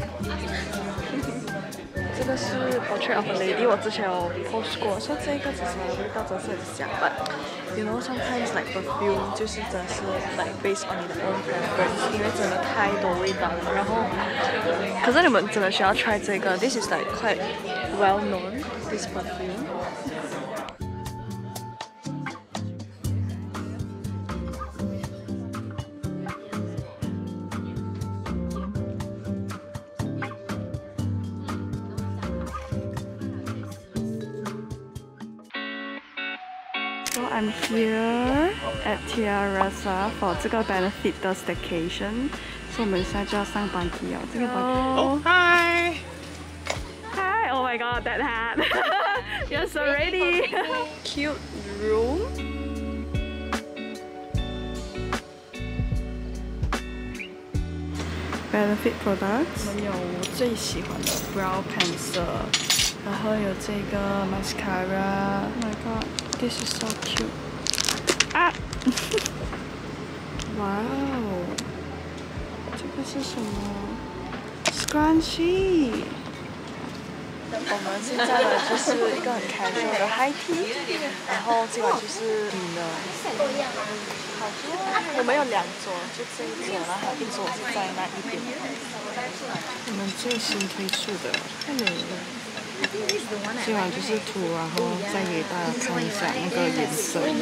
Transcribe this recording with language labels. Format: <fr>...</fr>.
<zh>咖啡喝完就好了，那我想要烧宵夜就好了。我放三个颜色。 Hello，Hello。这个是 Portrait of a Lady， 我之前有 post 过，说这个其实味道真的是很香， but，you know，sometimes like perfume 就是真的是 like based on 你的 own preference，因为真的太多味道了，然后。</zh> <en>可是你们真的需要 try 这个，This is like quite well known this perfume. So I'm here at Terra for 这个 benefit 的 staycation。我们现在就要上班了，这个班。 Hi，Hi， Oh my God， that hat， yes already， cute room， benefit products，</en> <zh>我们有最喜欢的 brow pencil， 然后有这个 mascara， Oh my God， this is so cute，啊，哇哦。这是什么 ？Scrunchie。我们现在的就是一个很 casual 的 high tea，然后今晚就是你的。我们有两桌，就这一桌，然后一桌是在那一边。我们最新推出的，看你。今晚就是涂，然后再给大家看一下那个颜色。</zh>